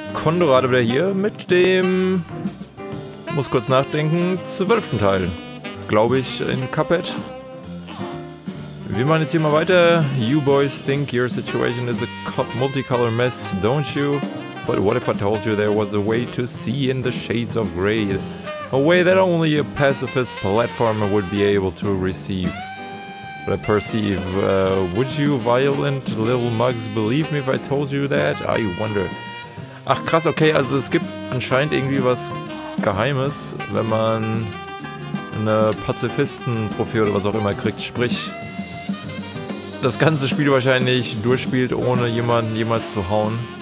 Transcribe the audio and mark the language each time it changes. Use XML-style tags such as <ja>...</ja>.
<de>Conrad wieder hier mit dem, muss kurz nachdenken, 12. Teil, glaube ich, in Cuphead. Wir machen jetzt hier mal weiter.</de> <en>You boys think your situation is a multicolor mess, don't you? But what if I told you there was a way to see in the shades of gray? A way that only a pacifist platformer would be able to receive. But I perceive, would you violent little mugs believe me if I told you that? I wonder.</en> <de>Ach krass, okay, also es gibt anscheinend irgendwie was Geheimes, wenn man eine Pazifisten-Trophäe oder was auch immer kriegt. Sprich, das ganze Spiel wahrscheinlich durchspielt, ohne jemanden jemals zu hauen.</de>